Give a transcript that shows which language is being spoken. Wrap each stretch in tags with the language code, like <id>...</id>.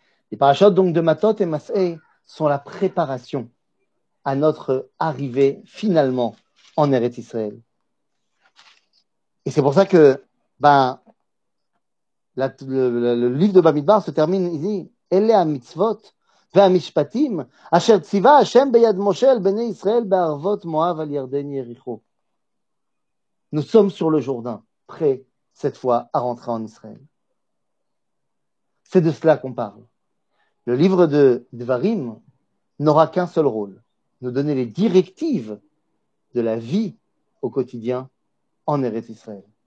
<fr>Les parachotes donc de Matot et Masseh sont la préparation à notre arrivée finalement en Eretz Israël. Et c'est pour ça que ben, le livre de Bamidbar se termine, il dit « Elle est à mitzvot,</fr> <he>והמשפטים אשר ציווה השם ביד משה אל בני ישראל בערבות מואב על ירדן יריחו.</he> <fr>Nous sommes sur le Jourdain, prêts cette fois à rentrer en Israël. C'est de cela qu'on parle. Le livre de Devarim n'aura qu'un seul rôle, nous donner les directives de la vie au quotidien en Eretz Israël.</fr>